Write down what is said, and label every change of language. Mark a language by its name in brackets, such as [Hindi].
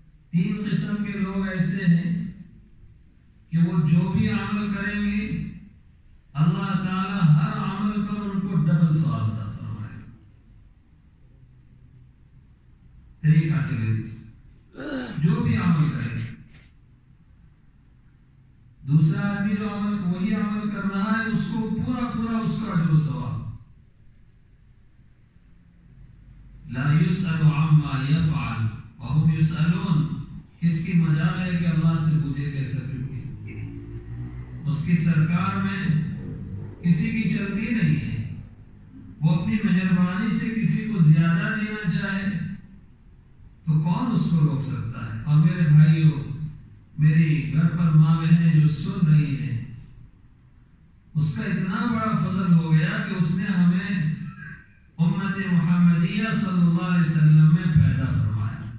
[Urdu] تین قسم کے لوگ ایسے ہیں کہ وہ جو بھی عمل کریں گے اللہ تعالی ہر عمل پر ان کو ڈبل ثواب عطا فرمائے گا. [English] three categories, [Urdu] جو بھی عمل کرے. دوسرا آدمی جو عمل وہی عمل کر رہا ہے اس کو پورا پورا اس کا ڈبل ثواب. [Arabic] لا یسأل عما یفعل وهم یسألون. [Urdu] اس کی مجال ہے کہ اللہ سے پوچھے کیسا کیوں, اس کی سرکار میں کسی کی چلتی نہیں ہے. وہ اپنی مہربانی سے کسی کو زیادہ دینا چاہے تو کون اس کو روک سکتا ہے. اور میرے بھائیوں, میری گھر پر ماں بہنیں جو سن رہی ہیں, اس کا اتنا بڑا فضل ہو گیا کہ اس نے ہمیں امت محمدیہ صلی اللہ علیہ وسلم میں پیدا فرمایا.